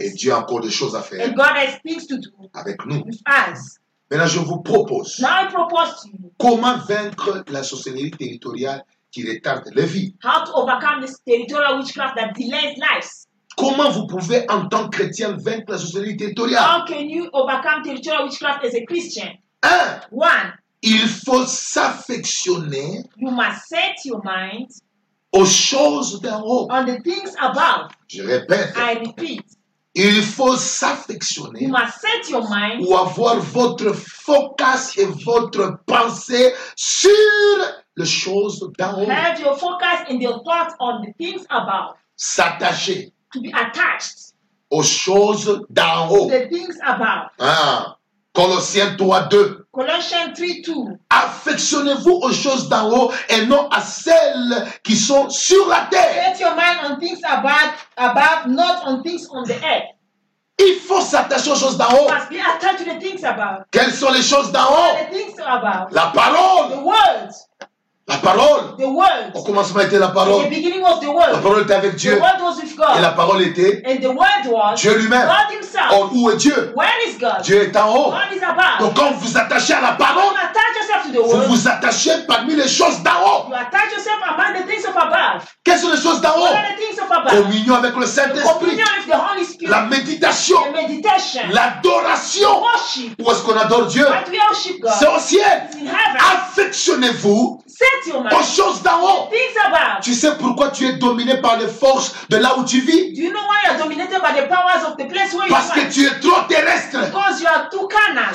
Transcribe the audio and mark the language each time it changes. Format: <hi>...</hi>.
<fr>Et Dieu a encore des choses à faire.</fr> <en>And God has things to do.</en> <fr>Avec nous.</fr> <en>With us.</en> <fr>Maintenant, je vous propose.</fr> <en>Now I propose to you.</en> <fr>Comment vaincre la sorcellerie territoriale qui retarde les vies.</fr> <en>How to overcome this territorial witchcraft that delays lives.</en> <fr>Comment vous pouvez, en tant que chrétien, vaincre la sorcellerie territoriale.</fr> <en>How can you overcome territorial witchcraft as a Christian?</en> <fr>Un.</fr> <en>One.</en> <fr>Il faut s'affectionner.</fr> <en>You must set your mind.</en> <fr>Aux choses d'en haut.</fr> <en>On the things above.</en> <fr>Je répète.</fr> <en>I repeat.</en> <fr>Il faut s'affectionner.</fr> <en>You must set your mind.</en> <fr>Ou avoir votre focus et votre pensée sur les choses d'en haut.</fr> <en>Have your focus and your thoughts on the things above.</en> <fr>S'attacher.</fr> <en>To be attached.</en> <fr>Aux choses d'en haut.</fr> <en>The things above.</en> <fr>Ah. Colossiens 3:2.</fr> <en>Colossiens 3:2.</en> <fr>Affectionnez-vous aux choses d'en haut et non à celles qui sont sur la terre.</fr> <en>Set your mind on things above, not on things on the earth.</en> <fr>Il faut s'attacher aux choses d'en haut.</fr> <en>Must be attached to the things above.</en> <fr>Quelles sont les choses d'en haut?</fr> <en>The things above.</en> <fr>La parole.</fr> <en>The word.</en> <fr>La parole.</fr> <en>The word.</en> <fr>Au commencement était la parole.</fr> <en>In the beginning was the word.</en> <fr>La parole était avec Dieu.</fr> <en>The word was with God.</en> <fr>Et la parole était.</fr> <en>And the word was.</en> <fr>Dieu lui-même.</fr> <en>God himself.</en> <fr>Or, où est Dieu?</fr> <en>Where is God?</en> <fr>Dieu est en haut.</fr> <en>God is above.</en> <fr>Donc quand vous attachez à la parole.</fr> <en>You attach yourself to the word.</en> <fr>Vous vous attachez parmi les choses d'en haut.</fr> <en>You attach yourself among the things of above.</en> <fr>Quelles sont les choses d'en haut?</fr> <en>What are the things of above?</en> <fr>Communion avec le Saint-Esprit.</fr> <en>Communion with the Holy Spirit.</en> <fr>La méditation.</fr> <en>The meditation.</en> <fr>L'adoration.</fr> <en>The worship.</en> <fr>Où est-ce qu'on adore Dieu?</fr> <en>But we worship God.</en> <fr>C'est au ciel.</fr> <en>It's in heaven.</en> <fr>Affectionnez-vous.</fr> <en>Set your mind.</en> <fr>Aux choses d'en haut.</fr> <en>Things above.</en> <fr>Tu sais pourquoi tu es dominé par les forces de là où tu vis?</fr> <en>Do you know why you are dominated by the powers of the place where</en> <fr>parce</fr> <en>you are?</en> <fr>Parce que tu es trop terrestre.</fr> <en>Because you are too carnal.</en>